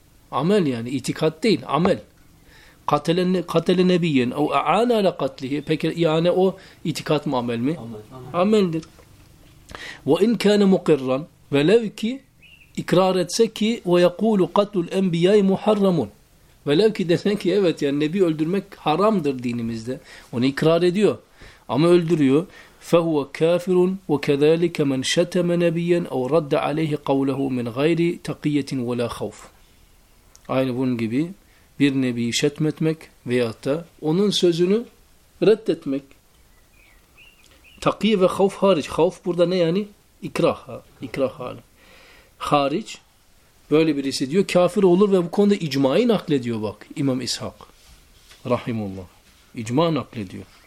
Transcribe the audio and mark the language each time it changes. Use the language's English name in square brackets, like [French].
[Turkish] Amel yani itikat değil, amel. [Arabic] katele nebiyyen o a'ana ala katlihi, [Turkish] peki yani o itikat mı, amel mi? Ameldir. [Arabic] Ve in kâne mukirran, [Turkish] velev ki ikrar etse ki [Arabic] ve yekûlu katlul enbiyâi muharramun, [Turkish] velev ki desen ki evet yani nebi öldürmek haramdır dinimizde, onu ikrar ediyor ama öldürüyor. [Arabic] فهو كافر وكذلك من شتم نبيا او رد عليه قوله من غير تقيه ولا خوف. [Turkish] Aynı bunun gibi bir nebiyi şetmetmek veyahut da onun sözünü reddetmek. Takiye ve khauf hariç. Khauf burada ne yani? İkrah. İkrah hali. Hariç. Böyle birisi diyor kafir olur ve bu konuda icmayı naklediyor bak İmam İshak rahimullah. İcma naklediyor.